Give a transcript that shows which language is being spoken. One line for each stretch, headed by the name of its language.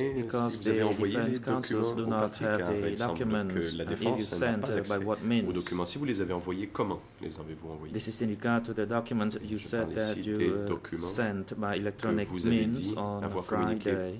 English: Because the defense counsels do not have the documents. If you sent, by what means?
French: Si vous les avez envoyés, comment les avez-vous envoyés?
English: This is in regard to the documents you said that you sent by electronic means on Friday.